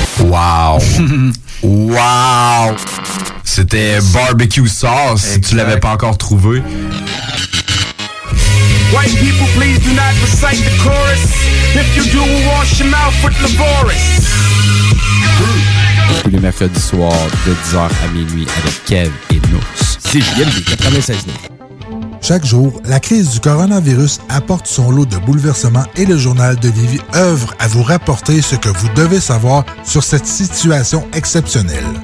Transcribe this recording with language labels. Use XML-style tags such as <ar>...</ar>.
<en>Wow! Wow!</en> <fr>C'était Barbecue Sauce, exact. Si tu l'avais pas encore trouvé.</fr> <en>White people, please do not recite the chorus. If you do, we'll wash your mouth with the Boris.</en> <fr>Tous les mercredis soirs, de 10h à minuit, avec Kev et Nours. CJMD 96.9. Chaque jour, la crise du coronavirus apporte son lot de bouleversements et le journal de Lévis œuvre à vous rapporter ce que vous devez savoir sur cette situation exceptionnelle.</fr>